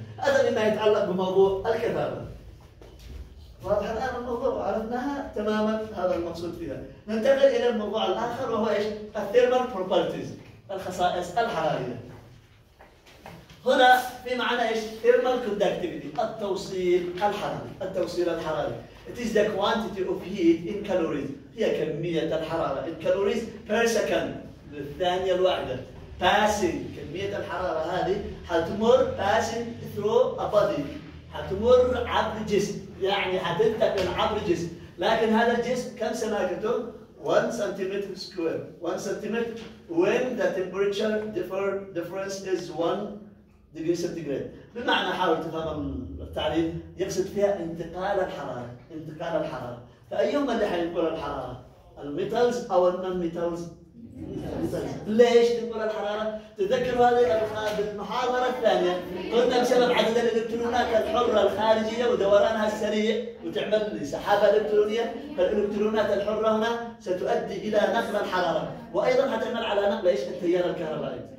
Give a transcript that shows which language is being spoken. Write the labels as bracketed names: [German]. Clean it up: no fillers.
[Arabic] هذا مما يتعلق بموضوع الكثافه. واضح الان الموضوع، عرفناها تماما هذا المقصود فيها. ننتقل الى الموضوع الاخر وهو ايش؟ الثيرمال بروبرتيز، الخصائص الحراريه. هنا في معنى ايش؟ ثيرمال كوندكتيفيتي، التوصيل الحراري، التوصيل الحراري. [English] It is the quantity of heat in calories. [Arabic] هي كمية الحرارة [English] in calories per second، [Arabic] بالثانية الواحدة. passing كمية الحرارة هذه حتمر [English] passing through a body، [Arabic] حتمر عبر جسم، يعني حتنتقل عبر جسم. لكن هذا الجسم كم سماكته؟ 1 سنتيمتر سكوير. [English] 1 centimetre when the temperature difference is 1 degree centigrade. [Arabic] بمعنى حاول تفهم التعريف، يقصد فيها انتقال الحرارة، انتقال الحرارة. فأيهما اللي حينقل الحرارة؟ الميتالز أو النون ميتالز؟ ليش تنقل الحرارة؟ تذكروا هذه المحاضرة الثانية قلنا بسبب عدد الإلكترونات الحرة الخارجية ودورانها السريع وتعمل سحابة إلكترونية، فالإلكترونات الحرة هنا ستؤدي إلى نقل الحرارة، وأيضا حتعمل على نقل إيش؟ التيار الكهربائي.